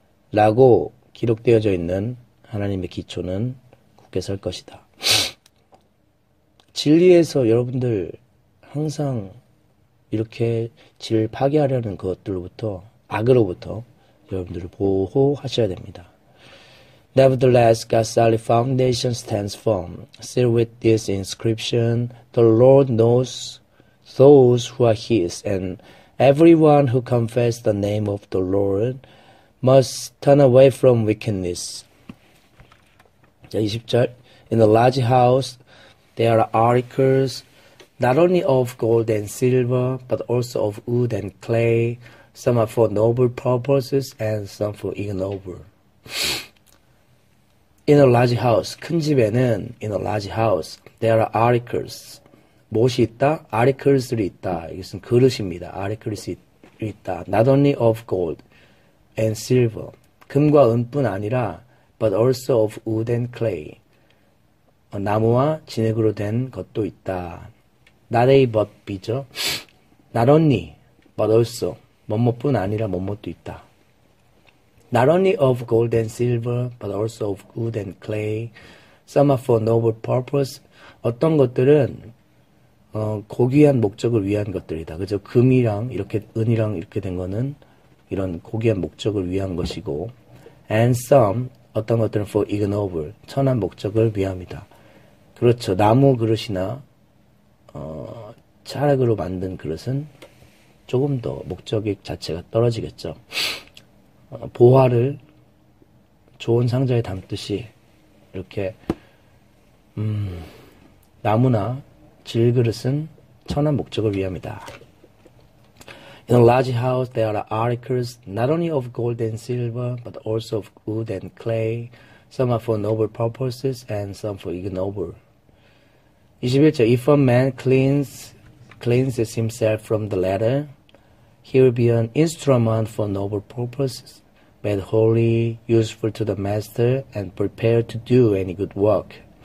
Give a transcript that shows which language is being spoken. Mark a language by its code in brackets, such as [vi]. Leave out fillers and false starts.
[ko] 라고 기록되어져 있는 하나님의 기초는 굳게 설 것이다. 진리에서 여러분들 항상 이렇게 질을 파괴하려는 그것들로부터 악으로부터 여러분들을 보호하셔야 됩니다. [en] Nevertheless, God's solid foundation stands firm, sealed with this inscription: The Lord knows those who are His, and everyone who confesses the name of the Lord must turn away from wickedness. [ko] 자, 20절. [en] In a large house, there are articles, not only of gold and silver, but also of wood and clay. Some are for noble purposes and some for ignoble. In a large house, [ko] 큰 집에는 [en] in a large house, there are articles. [ko] 무엇이 있다? Articles이 있다. 이것은 그릇입니다. Articles이 있다. [en] Not only of gold and silver. [ko] 금과 은뿐 아니라, [en] but also of wood and clay. [ko] 나무와 진흙으로 된 것도 있다. [en] Not a but B죠. Not only, but also. [ko] 뭐뭐뿐 아니라 뭐뭐도 있다. [en] Not only of gold and silver, but also of wood and clay. Some are for noble purpose. [ko] 어떤 것들은 고귀한 목적을 위한 것들이다. 그죠? 금이랑 이렇게 은이랑 이렇게 된 거는 이런 고귀한 목적을 위한 것이고, [en] and some [ko] 어떤 것들은 [en] for ignoble [ko] 천한 목적을 위함이다. 그렇죠. 나무 그릇이나 자락으로 만든 그릇은 조금 더 목적의 자체가 떨어지겠죠. 보화를 좋은 상자에 담듯이 이렇게 나무나 질그릇은 천한 목적을 위함이다. [en] In a large house, there are articles not only of gold and silver, but also of wood and clay. Some are for noble purposes and some for ignoble. [ko] 21절, [en] if a man cleanses himself from the latter, he will be an instrument for noble purposes, made holy, useful to the master, and prepared to do any good work.